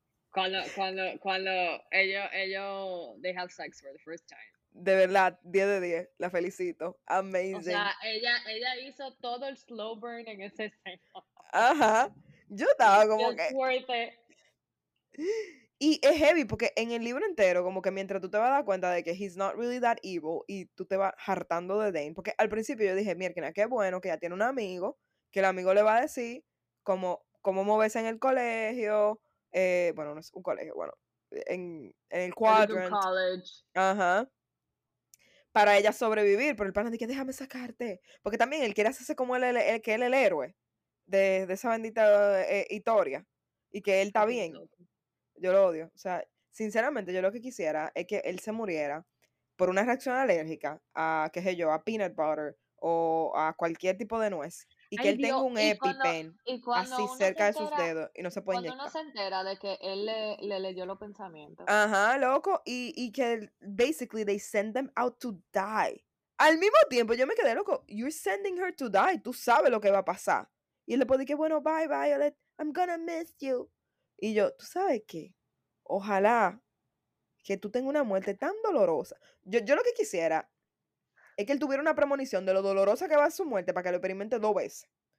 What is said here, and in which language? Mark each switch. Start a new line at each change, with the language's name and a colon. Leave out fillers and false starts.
Spanish: Cuando ellos,
English: they have sex for the first time.
Spanish: De verdad, 10 de 10, la felicito.
English: Amazing.
Spanish: O sea, ella hizo todo el slow burn en ese escena. Ajá. Yo estaba como
English: just
Spanish: que...
English: It's worth it.
Spanish: Y es heavy porque en el libro entero, como que mientras tú te vas a dar cuenta de que
English: he's not really that evil
Spanish: y tú te vas hartando de Dane, porque al principio yo dije, mierda, qué bueno que ya tiene un amigo, que el amigo le va a decir cómo moverse en el colegio, bueno, no es un colegio, bueno, en el quadrant. Ajá. Para ella sobrevivir, pero el pana dice, déjame sacarte. Porque también él quiere hacerse como el héroe de esa bendita historia y que él está bien. Yo lo odio. O sea, sinceramente, yo lo que quisiera es que él se muriera por una reacción alérgica a, qué sé yo, a peanut butter o a cualquier tipo de nuez. Y que ay, él Dios, tenga un EpiPen así cerca de sus dedos y no se puede inyectar. Cuando uno se entera de que él le leyó los pensamientos. Ajá, loco. Y que,
English: basically, they send them out to die.
Spanish: Al mismo tiempo, yo me quedé loco.
English: You're sending her to die.
Spanish: Tú sabes lo que va a pasar. Y él le puede decir, bueno, bye, Violet.
English: I'm gonna miss you.
Spanish: Y yo, ¿tú sabes qué? Ojalá que tú tengas una muerte tan dolorosa. Yo lo que quisiera es que él tuviera una premonición de lo dolorosa que va a su muerte para que lo experimente dos veces.